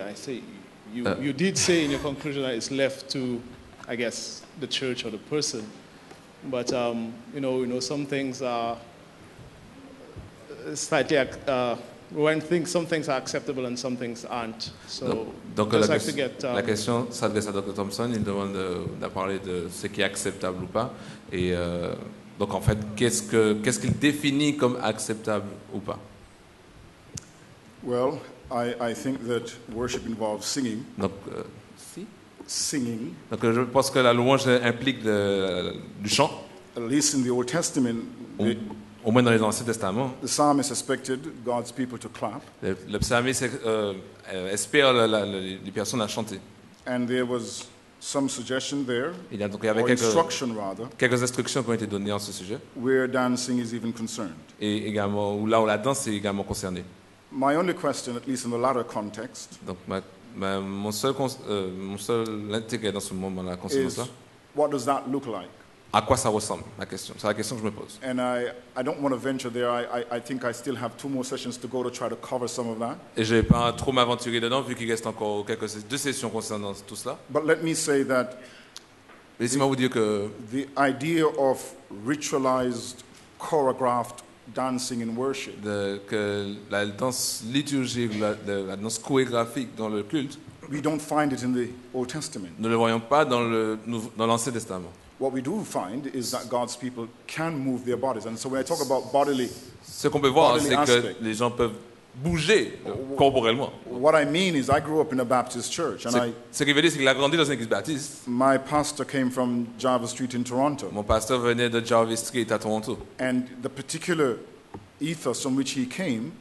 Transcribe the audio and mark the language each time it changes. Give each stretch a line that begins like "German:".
English: I say you did say in your conclusion that it's left to, I guess, the church or the person. But you know, some things are slightly. Some things are acceptable and some things aren't.
French: La question s'adresse à Dr. Thompson. Il demande de parler de ce qui est acceptable ou pas. Et donc, en fait, qu'est-ce qu'il définit comme acceptable ou pas?
English: Well, I think that worship involves singing.
French: Donc,
English: singing.
French: Donc, je pense que la louange implique du chant.
English: At least in the Old Testament.
French: Au moins dans les Anciens Testaments.
English: The psalmist expected God's people to clap.
French: Le psalmiste espère les personnes à chanter.
English: And there was some suggestion there.
French: Il y a donc il y avait quelques instructions qui ont été données en ce sujet.
English: Where dancing is even concerned.
French: Et également là où la danse est également concernée.
English: My only question, at least in the latter context.
French: Donc mon seul intérêt dans ce moment-là concernant ça.
English: What does that look like?
French: À quoi ça ressemble, ma question. C'est la question que je me pose.
English: And I don't want to venture there. I think I still have two more sessions to go to try to cover some of that.
French: Et je vais pas trop m'aventurer dedans vu qu'il reste encore deux sessions concernant tout cela.
English: But let me say that.
French: Laissez-moi vous dire que
English: the idea of ritualized, choreographed dancing in worship.
French: Que la danse liturgique, la danse chorégraphique dans le culte.
English: We don't find it in the Old Testament.
French: Nous ne le voyons pas dans l'Ancien Testament.
English: What we do find is that God's people can move their bodies, and so when I talk about bodily,
French: ce qu'on peut voir, c'est que les gens peuvent bouger corporellement.
English: What I mean is, I grew up in a Baptist church, and
French: ce qu'il veut dire, c'est qu'il a grandi dans une église baptiste.
English: My pastor came from Jarvis Street in Toronto.
French: Mon pasteur venait de Jarvis Street à Toronto.
English: And the particular ethos from which he came.